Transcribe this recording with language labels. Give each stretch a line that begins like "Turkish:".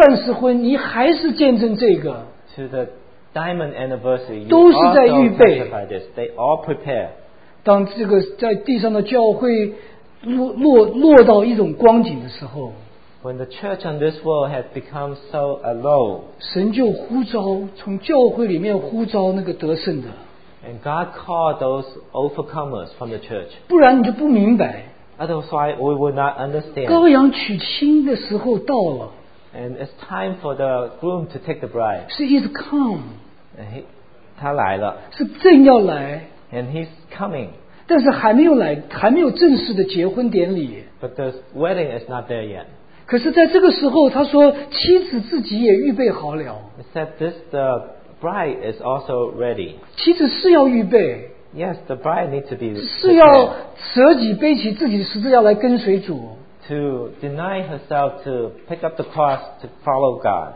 Chinese: 你有到了钻石婚，你还是见证这个。
English: To the diamond anniversary, you also testify this. They all prepare.
Chinese: 当这个在地上的教会落到一种光景的时候。
English: When the church on this world has become so low,
Chinese: 神就呼召, 从教会里面呼召那个得胜的,
English: and God called those overcomers from the church.
Chinese: 不然你就不明白,
English: otherwise, we would not understand.
Chinese: 羔羊娶亲的时候到了,
English: and it's time for the groom to take the bride.
Chinese: 是一直come, 他来了, 是正要来,
English: and he's coming.
Chinese: 但是还没有来, 还没有正式的结婚典礼,
English: but the wedding is not there yet.
Chinese: 可是在这个时候，他说妻子自己也预备好了。He
English: said this the bride is also ready.
Chinese: 妻子是要预备。
English: Yes, the bride needs to be.
Chinese: 是要舍己背起自己十字架来跟随主。
English: To to deny herself to pick up the cross to follow God.